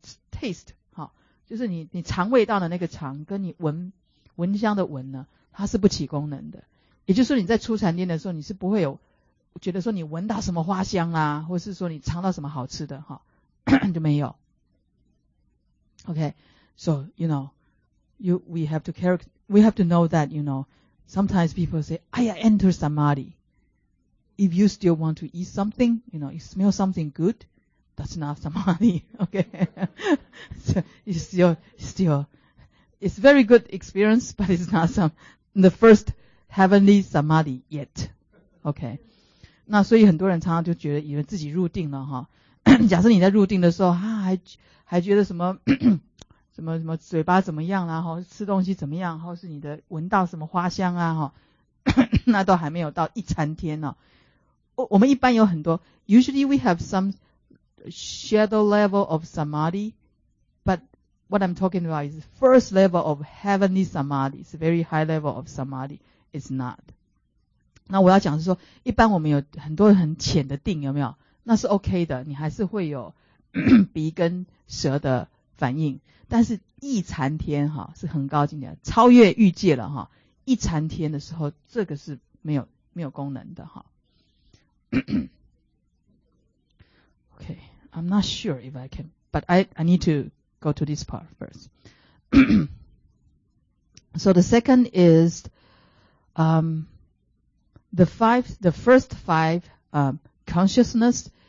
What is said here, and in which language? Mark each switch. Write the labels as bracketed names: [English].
[Chinese] taste 好，就是你尝味道的那个尝，跟你闻香的闻呢，它是不起功能的。也就是说，你在出禅定的时候，你是不会有觉得说你闻到什么花香啊，或是说你尝到什么好吃的哈，就没有。 [English] Okay, so you know, we have to know that you know. Sometimes people say, "I enter samadhi." If you still want to eat something, you know, you smell something good, that's not samadhi, okay? So it's very good experience, but it's not the first heavenly samadhi yet, okay? [Chinese] 那所以很多人常常就觉得以为自己入定了哈。假设你在入定的时候，还觉得什么什么什么嘴巴怎么样啦，哈，吃东西怎么样，或是你的闻到什么花香啊，哈，那都还没有到一禅天呢。我们一般有很多 [English] ，usually we have some shadow level of samadhi, but what I'm talking about is first level of heavenly samadhi, it's very high level of samadhi, it's not. [Chinese] 那我要讲是说，一般我们有很多很浅的定，有没有？那是 OK 的，你还是会有鼻跟舌的反应，但是一禅天哈是很高境界，超越欲界了哈。一禅天的时候，这个是没有功能的哈。 [English] Okay, I'm not sure if I can, but I need to go to this part first. So the second is, the first five, consciousness